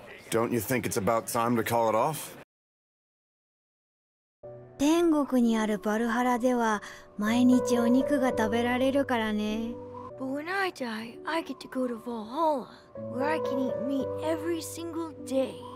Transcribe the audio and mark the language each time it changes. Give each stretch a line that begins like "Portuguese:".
English: Don't you think it's about time to call it off?
Japanese: 天国にあるバルハラでは毎日お肉が食べられるからね。
English: But when I die, I get to go to Valhalla, where I can eat meat every single day.